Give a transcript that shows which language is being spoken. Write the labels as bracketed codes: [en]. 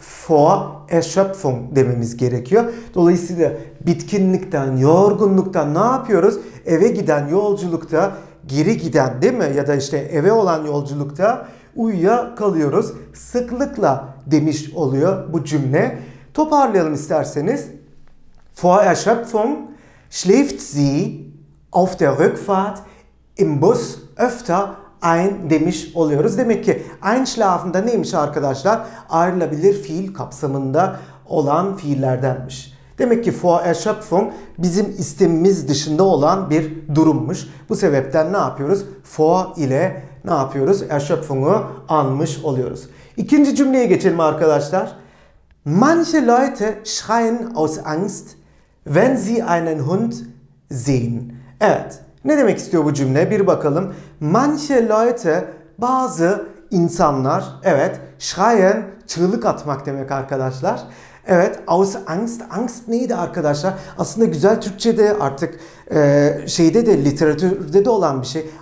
[de] Vor Erschöpfung [tr] dememiz gerekiyor. Dolayısıyla bitkinlikten, yorgunluktan ne yapıyoruz? Eve giden yolculukta, geri giden değil mi? Ya da işte eve olan yolculukta uyuyakalıyoruz. Sıklıkla demiş oluyor bu cümle. Toparlayalım isterseniz. [de] Vor Erschöpfung schläft sie auf der Rückfahrt im Bus öfter [tr] ein demiş oluyoruz. Demek ki ein schlafen'da neymiş arkadaşlar? Ayrılabilir fiil kapsamında olan fiillerdenmiş. Demek ki vor erschöpfung bizim istemimiz dışında olan bir durummuş. Bu sebepten ne yapıyoruz? Vor ile ne yapıyoruz? Erschöpfung'u anmış oluyoruz. İkinci cümleye geçelim arkadaşlar. [de] Manche Leute schreien aus Angst, wenn sie einen Hund sehen. [tr] Evet. Ne demek istiyor bu cümle? Bir bakalım. [de] Manche Leute, [tr] bazı insanlar, evet, schreien, çığlık atmak demek arkadaşlar. Evet, aus Angst. Angst neydi arkadaşlar? Aslında güzel Türkçe'de artık şeyde de, literatürde de olan bir şey.